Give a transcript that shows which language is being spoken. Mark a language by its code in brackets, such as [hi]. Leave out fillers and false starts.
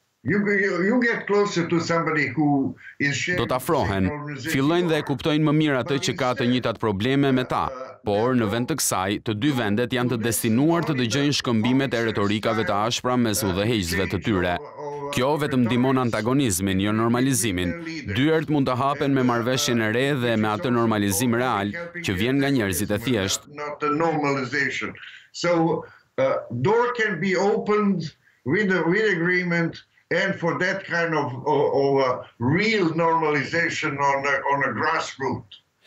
[en] You get closer to somebody who is sharing. [sq] Do të afrohen, fillojnë dhe kuptojnë më mirë atë që ka të njëjtat probleme me ta, por në vend të kësaj, të dy vendet janë të destinuar të dëgjojnë shkëmbimet e retorikave të ashpra mes udhëheqësve të tyre. Kjo vetëm ndihmon antagonizmin, jo normalizimin. Dyert mund të hapen me marrëveshjen e re dhe me atë normalizim real që vjen nga njerëzit e thjeshtë. [en] So door can be opened with agreement and for that kind of real normalization on a grassroots.